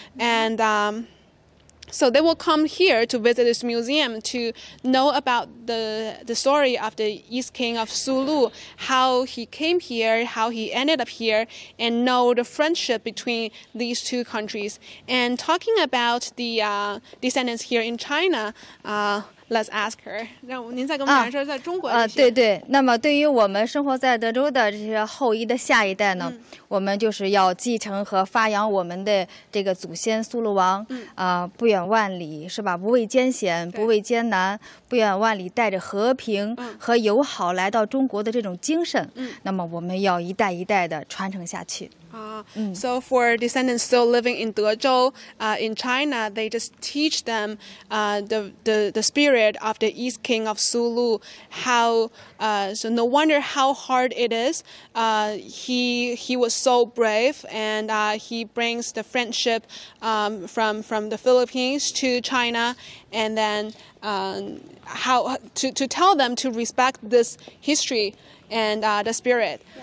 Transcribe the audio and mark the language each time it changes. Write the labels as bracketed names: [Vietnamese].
[English] And so they will come here to visit this museum to know about the story of the East King of Sulu, how he came here, how he ended up here, and know the friendship between these two countries. And talking about the descendants here in China, let's ask her. [Chinese] 您再跟我们讲说在中国这些。对对，那么对于我们生活在德州的这些后裔的下一代呢，我们就是要继承和发扬我们的这个祖先苏禄王，不远万里是吧，不畏艰险，不畏艰难，不远万里带着和平和友好来到中国的这种精神，那么我们要一代一代的传承下去。 [English] So for descendants still living in Dezhou, in China, they just teach them the spirit of the East King of Sulu. So no wonder how hard it is. He was so brave, and he brings the friendship from the Philippines to China, and then how to tell them to respect this history and the spirit.